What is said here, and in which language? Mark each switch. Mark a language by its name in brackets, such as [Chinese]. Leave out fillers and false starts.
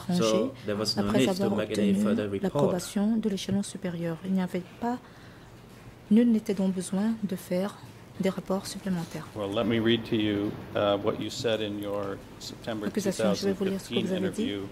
[English] So there was no need to make any further report. [French] L'approbation de l'échelon supérieur. Il n'y avait pas, nul n'était donc besoin de faire des rapports supplémentaires. [English] Well, let me read to you what you said in your September 2015 interview.